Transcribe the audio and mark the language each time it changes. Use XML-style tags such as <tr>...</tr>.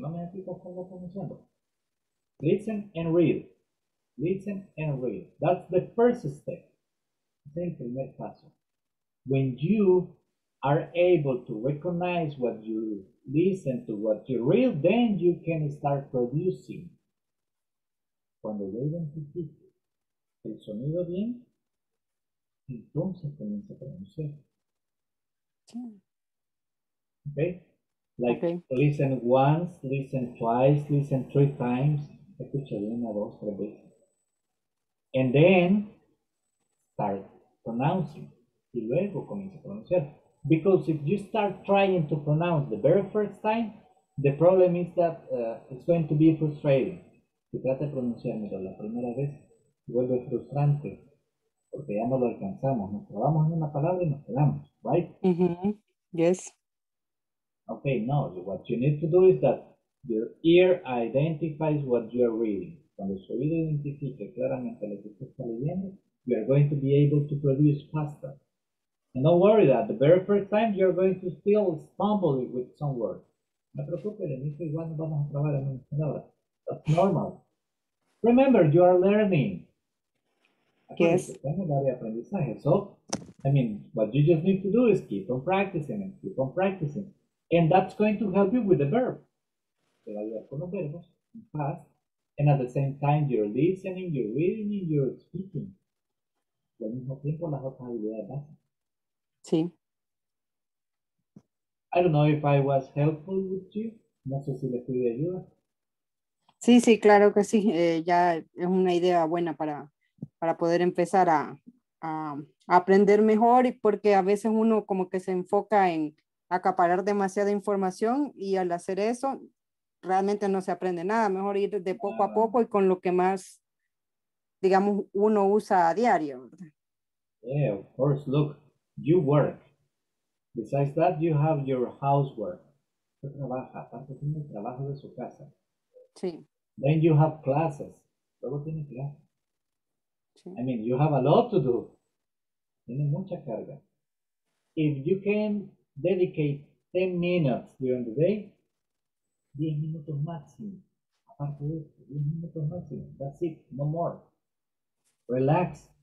<es>No me explico cómo pronunciando.</es> <en>Listen and read. Listen and read. That's the first step. Think</en> <es>el primer paso.</es> <en>When you are able to recognize what you listen to, what you read, then you can start producing.</en> <es>Cuando ya identifique el sonido bien, entonces comienza a pronunciar.</es> <en>Okay? Like, okay. Listen once, listen twice, listen three times.</en> <es>Escucha bien una, dos, tres veces.</es> <en>And then start pronouncing.</en> <es>Y luego comienza a pronunciar.</es> <en>Because if you start trying to pronounce the very first time, the problem is that it's going to be frustrating.</en> <es>Si trata de pronunciarlo la primera vez, vuelve frustrante. Porque ya no lo alcanzamos. Nos trabamos en una palabra y nos quedamos, right?</es> <en>Mm-hmm. Yes. Okay, no. What you need to do is that your ear identifies what you are reading.</en> <es>Cuando su oído identifique claramente lo que usted está leyendo,</es> <en>you are going to be able to produce faster. And don't worry that the very first time you're going to still stumble with some words.</en> <es>No te preocupes, en este igual vamos a trabajar en una palabra.</es> <en>That's normal. Remember, you are learning. Yes.</en> <es>Tengo un área de aprendizaje.</es> <en>So, I mean, what you just need to do is keep on practicing and keep on practicing. And that's going to help you with the verb.</en> <es>Te va a ayudar con los verbos, en past.</es> <en>And at the same time, you're listening, you're reading, and you're speaking.</en> <es>Y al mismo tiempo, las otras habilidades básicas. Sí.</es> <en>I don't know if I was helpful with you.</en> <es>No sé si le fui de ayuda. Sí, sí, claro que sí. Ya es una idea buena para poder empezar a aprender mejor, porque a veces uno como que se enfoca en acaparar demasiada información y al hacer eso realmente no se aprende nada. Mejor ir de poco a poco y con lo que más, digamos, uno usa a diario.</es> <en>Yeah, of course, look. You work. Besides that, you have your housework.</en> <es>Usted trabaja, aparte tiene el trabajo de su casa. Sí.</es> <en>Then you have classes.</en> <es>Luego tiene clases. Sí.</es> <en>I mean, you have a lot to do.</en> <es>Tiene mucha carga.</es> <en>If you can dedicate 10 minutes during the day,</en> <es>10 minutos máximo. Aparte de esto, 10 minutos máximo.</es> <en>That's it, no more. Relax.</en>